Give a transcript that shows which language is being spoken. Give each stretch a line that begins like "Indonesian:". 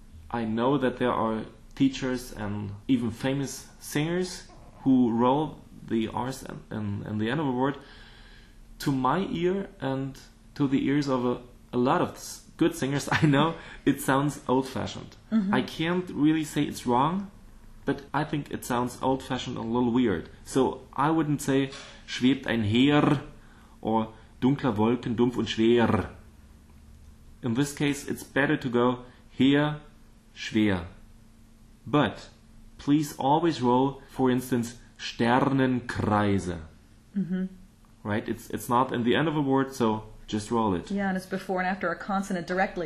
English: I know that there are teachers and even famous singers who roll the Rs in the end of a word. To my ear and to the ears of a lot of good singers, I know it sounds old-fashioned. Mm-hmm. I can't really say it's wrong, but I think it sounds old-fashioned and a little weird. So I wouldn't say
German: schwebt ein Heer or dunkler Wolken, dumpf und schwer.
English: In this case, it's better to go Heer, schwer. But please always roll, for instance, Sternenkreise. Mm-hmm. Right? It's not in the end of a word, so just roll it. Yeah, and it's before and after a consonant directly.